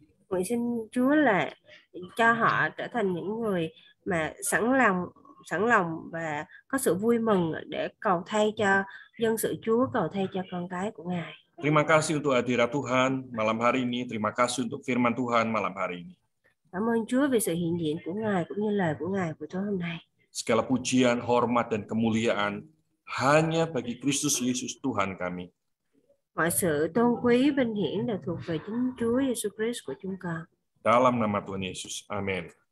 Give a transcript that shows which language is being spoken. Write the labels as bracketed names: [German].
[Vietnamese] Nguyện xin Chúa là cho họ trở thành những người mà sẵn lòng và có sự vui mừng để cầu thay cho dân sự Chúa, cầu thay cho con cái của Ngài. [Indonesian] Terima kasih untuk hadirat Tuhan malam hari ini. Terima kasih untuk firman Tuhan malam hari ini. [Vietnamese] Cảm ơn Chúa vì sự hiện diện của Ngài cũng như lời của Ngài buổi tối hôm nay. [Indonesian] Segala pujian, hormat, dan kemuliaan hanya bagi Kristus Yesus Tuhan kami. [Vietnamese] Mọi sự tôn quý, vinh hiển đều thuộc về chính Chúa Jesus Christ của chúng con. [Indonesian] Dalam nama Tuhan Yesus. Amen.